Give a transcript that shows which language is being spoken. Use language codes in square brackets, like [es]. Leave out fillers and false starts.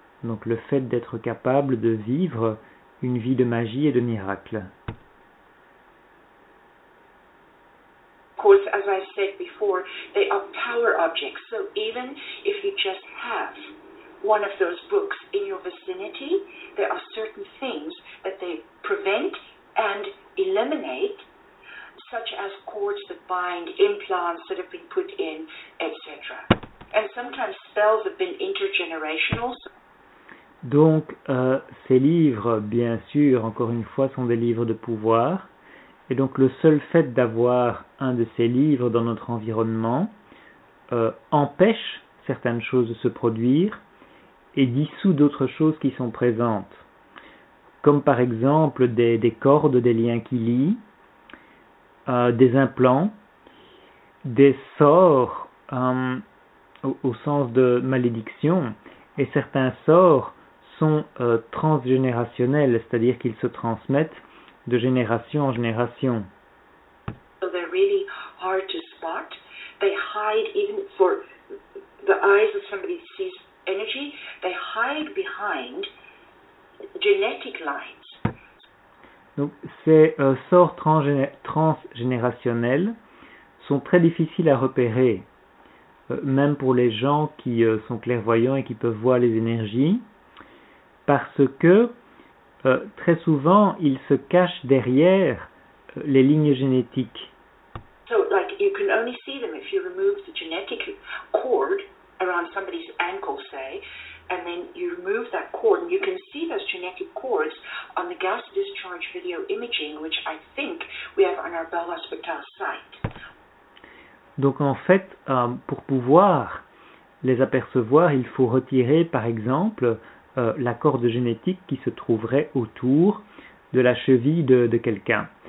[fr] Donc le fait d'être capable de vivre une vie de magie et de miracle. [en] Of course, as I said before, they are power objects. So even if you just have one of those books in your vicinity, there are certain things that they prevent and eliminate, such as cords that bind, implants that have been put in, etc. And sometimes spells have been intergenerational. [fr] Donc, ces livres, bien sûr, encore une fois, sont des livres de pouvoir. Et donc, le seul fait d'avoir un de ces livres dans notre environnement empêche certaines choses de se produire et dissout d'autres choses qui sont présentes. Comme par exemple des cordes, des liens qui lient, des implants, des sorts au sens de malédiction, et certains sorts sont transgénérationnels, c'est-à-dire qu'ils se transmettent de génération en génération. [en] So they're really hard to spot. They hide even for the eyes of somebody who sees energy. They hide behind genetic lines. [fr] Donc, ces sorts transgénérationnels sont très difficiles à repérer, même pour les gens qui sont clairvoyants et qui peuvent voir les énergies, parce que très souvent, ils se cachent derrière les lignes génétiques. [en] So, like, you can only see them if you remove the genetic cord around somebody's ankle, say, and then you remove that cord, and you can see those genetic cords on the gas discharge video imaging, which I think we have on our Bell Hospital site. [fr] Donc en fait, pour pouvoir les apercevoir, il faut retirer, par exemple, la corde génétique qui se trouverait autour de la cheville de quelqu'un.